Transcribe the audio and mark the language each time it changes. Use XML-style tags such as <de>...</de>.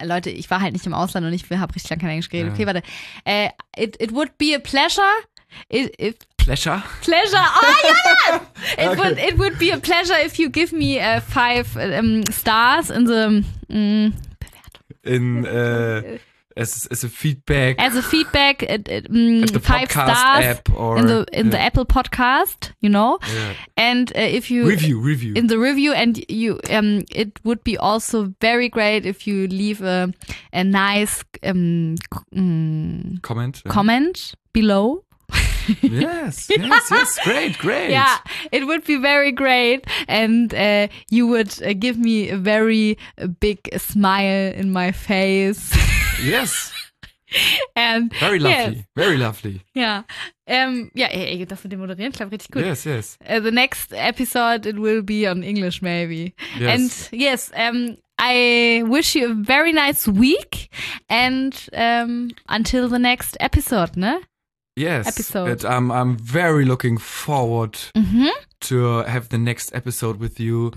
<de>Leute, ich war halt nicht im Ausland und ich habe richtig lange kein Englisch geredet. Okay, warte.</de> <en>It would be a pleasure if... Pleasure? Oh, Jonas! It would be a pleasure if you give me 5 stars in the...</en> <de>In Es ist Feedback.</de> <en>Also Feedback, five stars app or, in the Apple Podcast, you know. Yeah. And if you review in the review, and you it would be also very great if you leave a nice comment below. yes, great. Yeah, it would be very great, and you would give me a very big smile in my face. Yes. And very lovely. Yes. Very lovely. Yeah.</en> <de>Yeah, das mit dem Moderieren klappt richtig gut.</de> <en>Yes, yes. The next episode, it will be on English, maybe. Yes. And yes, I wish you a very nice week, and until the next episode, ne? Yes. Episode. And I'm very looking forward to have the next episode with you.</en>